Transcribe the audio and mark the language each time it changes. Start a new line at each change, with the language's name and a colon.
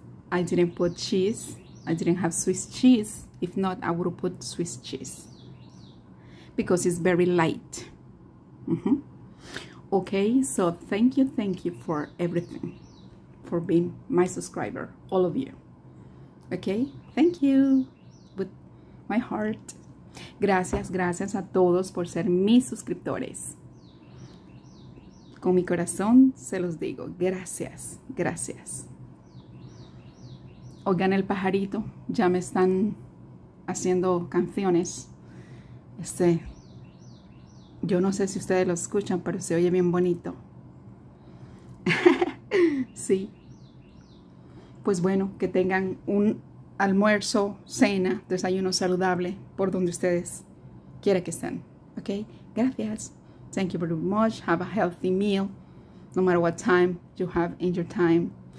English: I didn't put cheese. I didn't have Swiss cheese. If not, I would put Swiss cheese because it's very light. Okay, so thank you for everything, for being my subscriber, all of you. Okay, thank you with my heart.
Spanish: Gracias, gracias a todos por ser mis suscriptores. Con mi corazón se los digo, gracias, gracias. Oigan el pajarito, ya me están haciendo canciones. Yo no sé si ustedes lo escuchan, pero se oye bien bonito. Sí. Pues bueno, que tengan un almuerzo, cena, desayuno saludable, por donde ustedes quieran que estén.
English: ¿Ok?
Spanish: Gracias.
English: Thank you very much. Have a healthy meal. No matter what time you have in your time.